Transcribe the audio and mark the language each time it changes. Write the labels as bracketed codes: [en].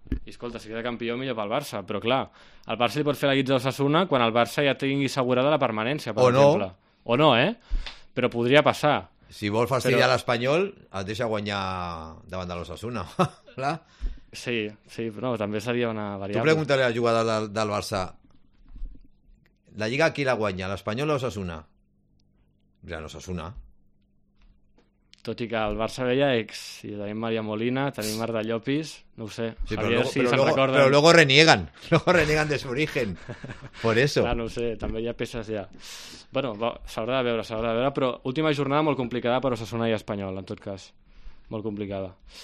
[ca] I escolta, si queda campió, millor pel Barça. Però clar, el Barça li pot fer la guitza d'Osasuna quan el Barça ja tingui assegurada la permanència, per exemple. No. O no, eh? Però podria passar. Si vol fastidiar però... l'Espanyol, et deixa guanyar davant de l'Osasuna. Sí, però també seria una variable. Tu preguntaré al jugador del Barça. La Lliga qui la guanya, l'Espanyol o l'Osasuna? Ja, l'Osasuna. Tot i que el Barça veia ex, i tenim Maria Molina, tenim Marta Llopis, no ho sé, [es] sí, però luego reniegan, de su origen, por eso. [ca] Clar, no ho sé, també hi ha peces ja. Bueno, s'haurà de veure, però última jornada molt complicada per Osasuna i Espanyol, en tot cas, molt complicada.